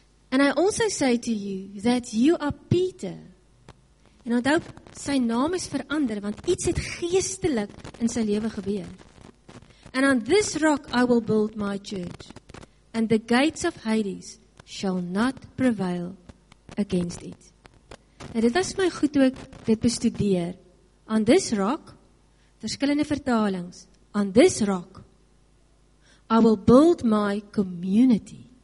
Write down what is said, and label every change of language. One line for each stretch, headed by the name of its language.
English: And I also say to you that you are Peter.
Afrikaans: En onthou, sy naam is verander, want iets het geestelik in sy lewe gebeur.
English: And on this rock I will build my church, and the gates of Hades shall not prevail against it.
Afrikaans: En dit was my goed ook dit bestudeer.
English: On this rock,
Afrikaans: verskillende vertalings,
English: on this rock, I will build my community.